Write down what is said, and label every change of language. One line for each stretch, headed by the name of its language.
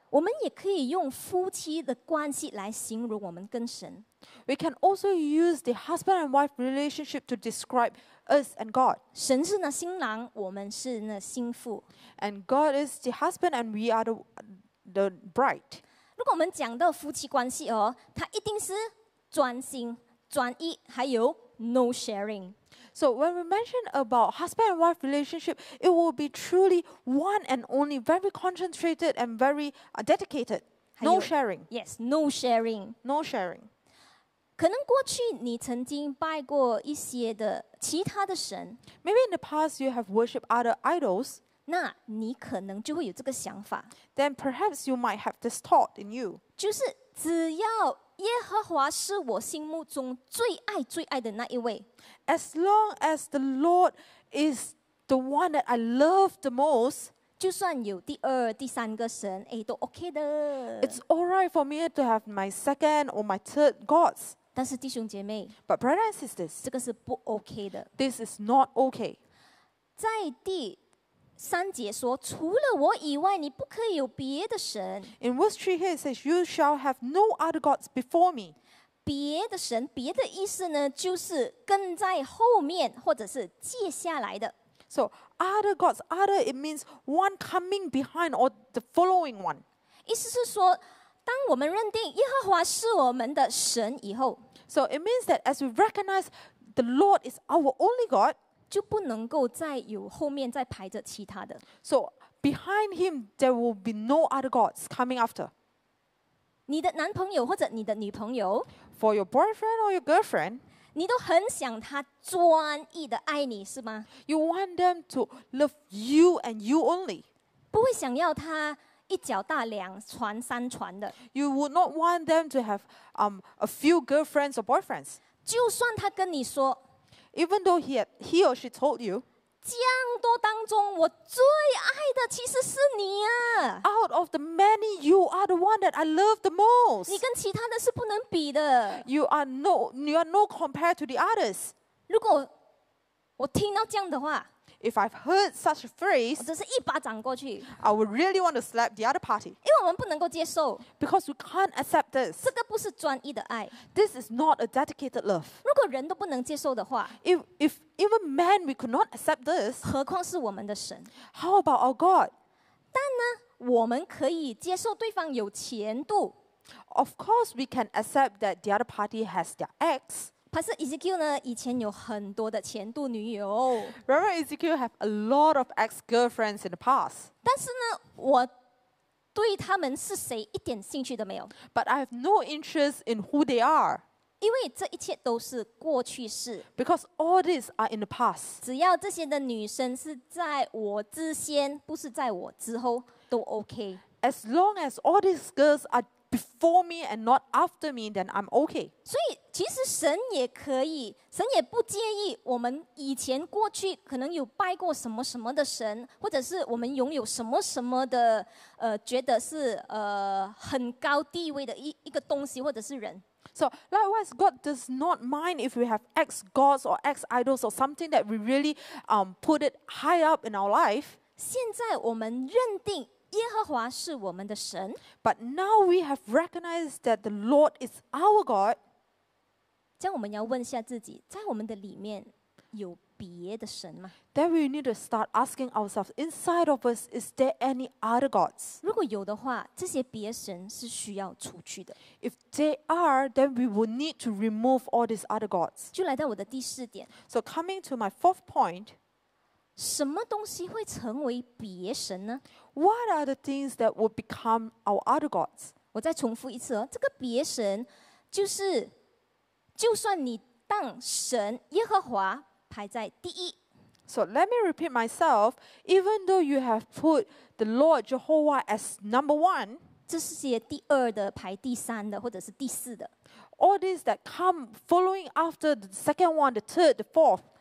Chinese: 我们也可以用夫妻的关系来形容我们跟神。
English: We can also use the husband and wife relationship to describe us and God.
Chinese: 神是那新郎，我们是那新妇。
English: And God is the husband and we are the bride.
Chinese: 如果我们讲到夫妻关系哦，它一定是专心、专一，还有
English: no sharing. So when we mention about husband and wife relationship, it will be truly one and only, very concentrated and very dedicated. No sharing. Yes, no sharing. No sharing.
Chinese: 可能过去你曾经拜过一些的其他的神。
English: Maybe in the past you have worshipped other idols.
Chinese: 那你可能就会有这个想法。
English: Then perhaps you might have this thought in you.
Chinese: 就是只要耶和华是我心目中最爱最爱的那一位。
English: As long as the Lord is the one that I love the most.
Chinese: 就算有第二、第三个神，哎，都 OK 的。
English: It's all right for me to have my second or my third gods.
Chinese: 但是弟兄姐妹
English: ，But brothers and sisters，
Chinese: 这个是不 OK 的。
English: This is not okay.
Chinese: 在第三节说，除了我以外，你不可以有别的神。
English: In verse 3 here it says, "You shall have no other gods before me."
Chinese: 别的神，别的意思呢，就是跟在后面，或者是接下来的。
English: So other gods, other it means one coming behind or the following one.
Chinese: 意思是说，当我们认定耶和华是我们的神以后
English: ，So it means that as we recognize the Lord is our only God,
Chinese: 就不能够再有后面再排着其他的。
English: So behind him, there will be no other gods coming after.
Chinese: 你的男朋友或者你的女朋友
English: ，For your boyfriend or your girlfriend.
Chinese: 你都很想他专一的爱你是吗
English: ？You want them to love you and you only.
Chinese: 不会想要他一脚大两船三船的。
English: You would not want them to have a few girlfriends or boyfriends.
Chinese: 就算他跟你说
English: ，Even though he or she told you，
Chinese: 这样多当中，我最爱的其实是你啊。
English: Out of the many, you are the one that I love the most.
Chinese: 你跟其他的是不能比的。
English: You are no compared to the others.
Chinese: 如果我听到这样的话
English: ，If I've heard such a phrase，
Chinese: 我只是一巴掌过去。
English: I would really want to slap the other party.
Chinese: 因为我们不能够接受。
English: Because we can't accept this.
Chinese: 这个不是专一的爱。
English: This is not a dedicated love.
Chinese: 如果人都不能接受的话
English: ，If even men we could not accept this，
Chinese: 何况是我们的神
English: ？How about our God？
Chinese: 但呢？我们可以接受对方有前度。
English: Of course, we can accept that the other party has their ex.
Chinese: Pastor Ezekiel 呢，以前有很多的前度女友。
English: Reverend Ezekiel have a lot of ex girlfriends in the past.
Chinese: 但是呢，我对他们是谁一点兴趣都没有。
English: But I have no interest in who they are.
Chinese: 因为这一切都是过去式。
English: Because all these are in the past.
Chinese: 只要这些的女生是在我之先，不是在我之后。都 okay.
English: As long as all these girls are before me and not after me, then I'm okay.
Chinese: 所以其实神也可以，神也不介意我们以前过去可能有拜过什么什么的神，或者是我们拥有什么什么的，觉得是很高地位的一个东西或者是人。
English: So likewise, God does not mind if we have ex gods or ex idols or something that we really put it high up in our life.
Chinese: 现在我们认定耶和华是我们的神
English: ，But now we have recognized that the Lord is our God。
Chinese: 这样我们要问一下自己，在我们的里面有别的神吗
English: ？Then we need to start asking ourselves inside of us, is there any other gods？
Chinese: 如果有的话，这些别神是需要除去的。
English: If they are, then we will need to remove all these other gods。
Chinese: 就来到我的第四点。
English: So coming to my fourth point。
Chinese: 什么东西会成为别神呢
English: ？What are the things that would become our other gods？
Chinese: 我再重复一次哦，这个别神就是，就算你当神耶和华排在第一。
English: So let me repeat myself. Even though you have put the Lord Jehovah as number one，
Chinese: 这是些第二的排第三的或者是第四的。
English: All these that come following after the second one, the third, the fourth。